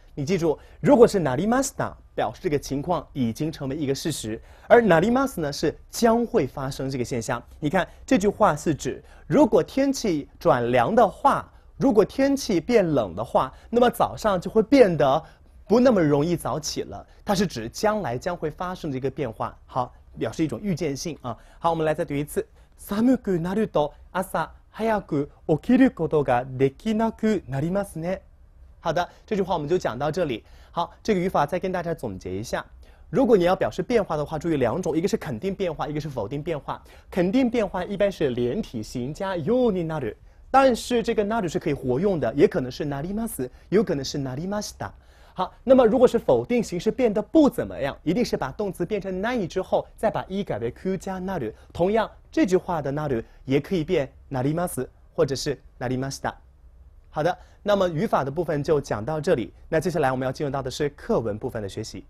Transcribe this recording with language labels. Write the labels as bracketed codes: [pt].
[zh] 你记住，如果是なりました，表示这个情况已经成为一个事实，而なります呢是将会发生这个现象。你看这句话是指，如果天气转凉的话，如果天气变冷的话，那么早上就会变得。不那么容易早起了，它是指将来将会发生的一个变化，好，表示一种预见性啊。好，我们来再读一次。 [ja] 寒くなると朝早く起きることができなくなりますね。 [zh] 好的，这句话我们就讲到这里。好，这个语法再跟大家总结一下。如果你要表示变化的话，注意两种，一个是肯定变化，一个是否定变化。肯定变化一般是连体型加ようになる，但是这个なる是可以活用的，也可能是なります，有可能是なりました。好，那么如果是否定形式变得不怎么样，一定是把动词变成ない之后，再把一改为 ku 加なる。同样，这句话的なる也可以变なります，或者是なりました。好的，那么语法的部分就讲到这里。那接下来我们要进入到的是课文部分的学习。